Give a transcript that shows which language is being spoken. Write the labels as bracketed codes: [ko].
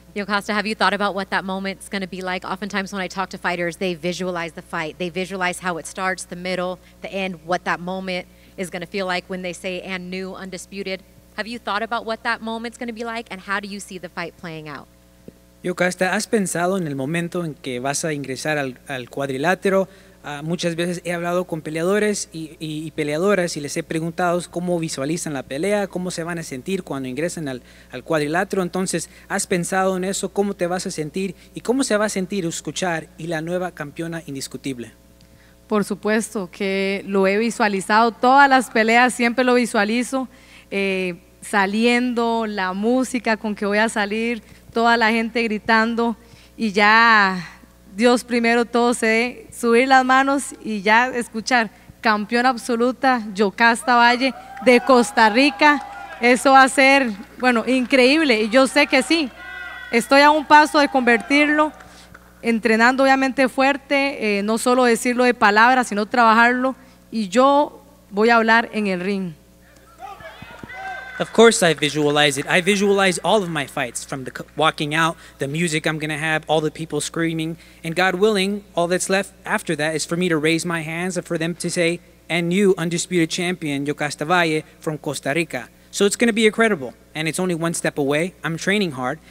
[en] Yokasta, have you thought about what that moment's going to be like? Oftentimes when I talk to fighters, they visualize the fight. They visualize how it starts, the middle, the end, what that moment is going to feel like when they say, and new, undisputed. Have you thought about what that moment's going to be like, and how do you see the fight playing out? [es] Yokasta, ¿has pensado en el momento en que vas a ingresar al cuadrilátero? Muchas veces he hablado con peleadores y peleadoras y les he preguntado cómo visualizan la pelea, cómo se van a sentir cuando ingresen al cuadrilátero. Entonces, ¿has pensado en eso? ¿Cómo te vas a sentir? ¿Y cómo se va a sentir escuchar y la nueva campeona indiscutible? Por supuesto que lo he visualizado. Todas las peleas siempre lo visualizo. Saliendo, la música con que voy a salir, toda la gente gritando y ya... Dios primero, todo se dé, subir las manos y ya escuchar, campeona absoluta, Yokasta Valle, de Costa Rica, eso va a ser, bueno, increíble, y yo sé que sí, estoy a un paso de convertirlo, entrenando obviamente fuerte, no solo decirlo de palabras, sino trabajarlo, y yo voy a hablar en el ring. [en] Of course I visualize it. I visualize all of my fights, from the walking out, the music I'm going to have, all the people screaming. And God willing, all that's left after that is for me to raise my hands and for them to say, and you, undisputed champion, Yokasta Valle from Costa Rica. So it's going to be incredible. And it's only one step away. I'm training hard.